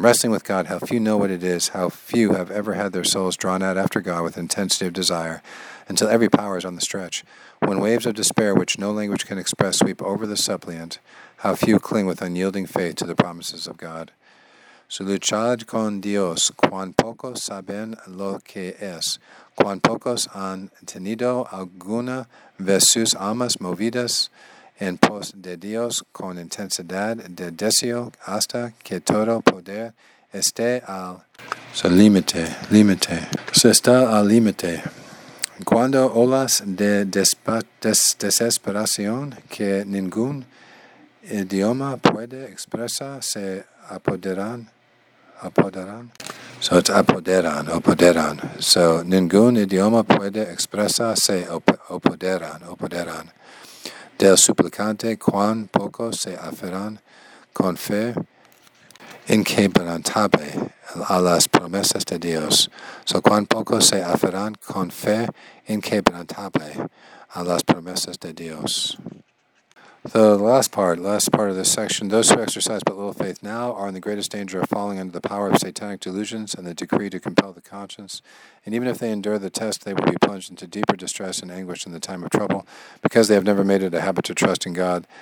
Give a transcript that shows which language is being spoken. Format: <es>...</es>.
<en>Wrestling with God, how few know what it is, how few have ever had their souls drawn out after God with intensity of desire, until every power is on the stretch. When waves of despair, which no language can express, sweep over the suppliant, how few cling with unyielding faith to the promises of God.</en> <es>So luchad con Dios, cuán pocos saben lo que es. Cuán pocos han tenido alguna vez sus almas movidas en pos de Dios con intensidad de deseo hasta que todo poder esté al... So, límite, límite. Se está al límite. Cuando olas de desesperación que ningún idioma puede expresar se apoderan.</es> <en>So it's</en> <es>apoderan. So ningún idioma puede expresar se apoderan. Del suplicante cuán poco se aferran con fe inquebrantable a las promesas de Dios. So cuán poco se aferran con fe inquebrantable a las promesas de Dios.</es> <en>The last part of this section, those who exercise but little faith now are in the greatest danger of falling under the power of satanic delusions and the decree to compel the conscience. And even if they endure the test, they will be plunged into deeper distress and anguish in the time of trouble, because they have never made it a habit to trust in God.</en>